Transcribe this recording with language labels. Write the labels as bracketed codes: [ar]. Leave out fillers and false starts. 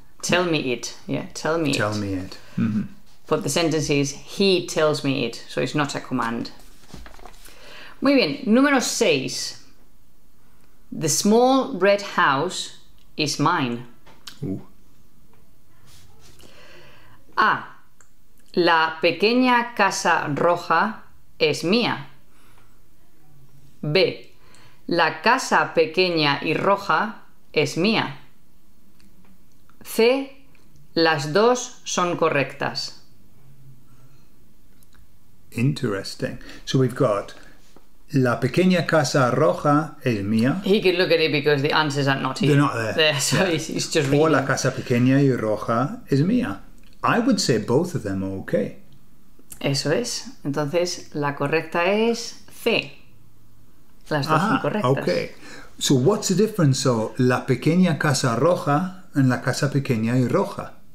[en] Tell me it. Yeah, tell me tell it. Tell me it. Mm-hmm. But the sentence is, he tells me it, so it's not a command. [es] Muy bien. Número 6. [en] The small red house is mine. Ooh. A. [es] La pequeña casa roja es mía. B. La casa pequeña y roja es mía. C. Las dos son correctas. [en] Interesting. So we've got la pequeña casa roja es mía. He could look at it because the answers are not here. They're not there. There, so yeah. He's just reading. [es] O la casa pequeña y roja es mía. [en] I would say both of them are okay. [es] Eso es. Entonces, la correcta es C. Las dos son correctas. [en] Okay. So what's the difference, so [es] la pequeña casa roja [en] and [es] la casa pequeña y roja?